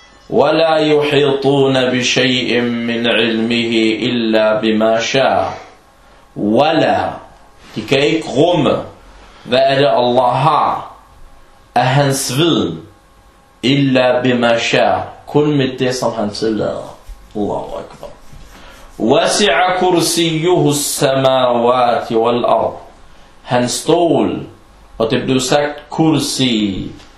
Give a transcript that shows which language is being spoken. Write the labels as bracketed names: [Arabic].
[Arabic] Wa la yuhituna bi shay'in min 'ilmihi illa bima sha'a. Wa la, [Danish] de kan ikke rumme, hvad er det Allah har af hans viden, [Arabic] illa bima sha'a, [Danish] kun med det, som han tillader. [Arabic] الله أكبر. وسع كرسيه السماوات والأرض. [Danish] Han stol, og det blev sagt kursi.